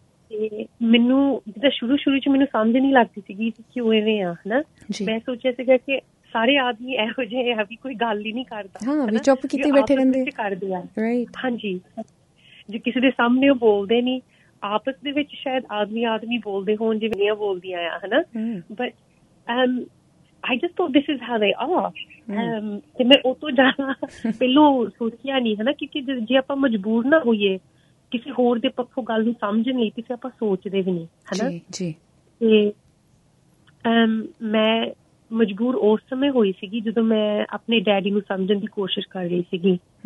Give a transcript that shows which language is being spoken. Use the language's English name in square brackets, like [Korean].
[Punjabi] ਤੇ ਮੈਨੂੰ ਜਿੱਦਾਂ ਸ਼ੁਰੂ ਸ਼ੁਰੂ ਚ ਮੈਨੂੰ ਸਮਝ ਨੀ ਲੱਗਦੀ ਸੀਗੀ ਕਿਉਂ ਇਵੇਂ ਆ, ਹਨਾ। ਮੈਂ ਸੋਚਿਆ ਸੀਗਾ ਕਿ ਸਾਰੇ ਆਦਮੀ ਇਹੋ ਜਿਹੇ ਆ ਵੀ ਕੋਈ ਗੱਲ ਹੀ ਨੀ ਕਰਦਾ, ਚੁੱਪ ਕੀਤੇ ਬੈਠੇ ਰਹਿੰਦੇ ਕਰਦੇ ਆ, ਰਾਈਟ? ਹਾਂਜੀ, ਜੇ ਕਿਸੇ ਦੇ ਸਾਹਮਣੇ ਉਹ ਬੋਲਦੇ ਨੀ, ਆਪਸ ਦੇ ਵਿੱਚ ਸ਼ਾਇਦ ਆਦਮੀ ਆਦਮੀ ਬੋਲਦੇ ਹੋਣ ਜਿਵੇਂ ਮੈਂ ਬੋਲਦੀਆਂ ਆ, ਹਨਾ। [English] But I just thought this is how they are. [Punjabi] ਮੈਂ ਉਹ ਤੋਂ ਜ਼ਿਆਦਾ ਪਹਿਲੋਂ ਸੋਚਿਆ ਨੀ, ਹਨਾ, ਕਿਉਂਕਿ ਜੇ ਆਪਾਂ ਮਜਬੂਰ ਨਾ ਹੋਈਏ ਕਿਸੇ ਹੋਰ ਦੇ ਪੱਖੋਂ ਗੱਲ ਨੂੰ ਸਮਝਣ ਲਈ, ਤੁਸੀਂ ਆਪਾਂ ਸੋਚਦੇ ਵੀ ਨੀ, ਹਨਾ। ਤੇ ਮੈਂ ਮਜਬੂਰ ਉਸ ਸਮੇਂ ਹੋਈ ਸੀਗੀ ਜਦੋਂ ਮੈਂ ਆਪਣੇ ਡੈਡੀ ਨੂੰ ਸਮਝਣ ਦੀ ਕੋਸ਼ਿਸ਼ ਕਰ ਰਹੀ ਸੀਗੀ।